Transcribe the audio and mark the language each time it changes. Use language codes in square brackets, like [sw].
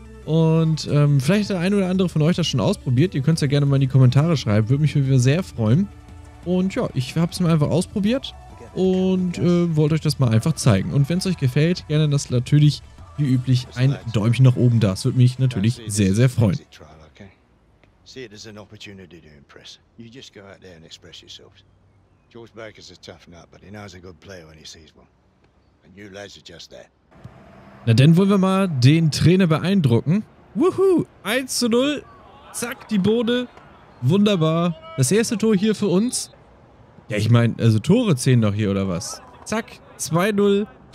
[de] Und vielleicht hat der ein oder andere von euch das schon ausprobiert. Ihr könnt es ja gerne mal in die Kommentare schreiben. Würde mich sehr freuen. Und ja, ich habe es mir einfach ausprobiert und wollte euch das mal einfach zeigen. Und wenn es euch gefällt, gerne das natürlich wie üblich ein Däumchen nach oben da. Das würde mich natürlich sehr, sehr freuen. [en] See it as an opportunity to impress. You just go out there and express yourselves. George Baker's a tough nut, but he knows a good player when he sees one. And you lads are just there. [de] Na, dann wollen wir mal den Trainer beeindrucken. Wuhu! 1:0. Zack, die Bude. Wunderbar. Das erste Tor hier für uns. Ja, ich meine, also Tore zählen doch hier, oder was? Zack, 2:0.